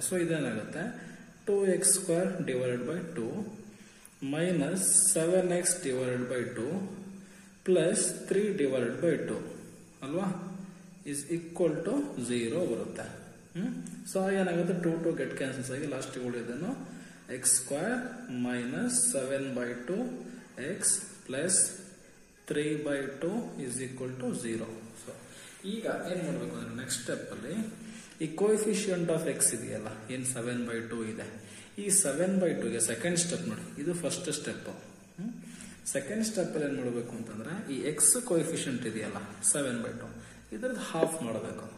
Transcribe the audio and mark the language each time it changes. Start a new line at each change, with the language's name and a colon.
Kannada: So ಇದೇನಾಗುತ್ತೆ,
English: two x square divided by two minus seven x divided by two plus three divided by two
Kannada: ಅಲ್ವಾ
English: is equal to zero
Kannada: ಬರುತ್ತೆ. So ಏನಾಗುತ್ತೆ,
English: two two get cancels
Kannada: ಆಗಿ last ಉಳಿದೇನು
English: x square minus 7 by 2 x plus 3 by 2 is equal to 0.
Kannada: So, ಈಗ ಏನ್ ಮಾಡ್ಬೇಕು ಅಂದ್ರೆ next step ಅಲ್ಲಿ ಈ ಕೋಎಫಿಷಿಯಂಟ್ ಆಫ್ ಎಕ್ಸ್ ಇದೆಯಲ್ಲ, ಏನ್ 7 by 2 ಇದೆ, ಈ 7 by 2 ಗೆ ಸೆಕೆಂಡ್ ಸ್ಟೆಪ್ ನೋಡಿ, ಇದು ಫಸ್ಟ್ ಸ್ಟೆಪ್. ಸೆಕೆಂಡ್ ಸ್ಟೆಪ್ ಅಲ್ಲಿ ಏನ್ ಮಾಡ್ಬೇಕು ಅಂತಂದ್ರೆ ಈ x ಕೋಎಫಿಷಿಯಂಟ್ ಇದೆಯಲ್ಲ 7 by 2 ಇದ್ರದ್ ಹಾಫ್ ಮಾಡಬೇಕು.